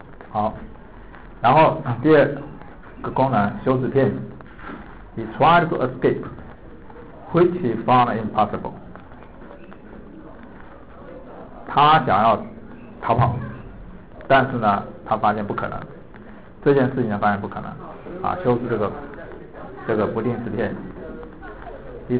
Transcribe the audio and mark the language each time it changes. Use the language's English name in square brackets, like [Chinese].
[Chinese] 好，然后第二个功能，修饰片语。 [English] He tried to escape, which he found impossible。 [Chinese] 他想要逃跑，但是呢，他发现不可能。这件事情发现不可能，修饰这个不定式片语。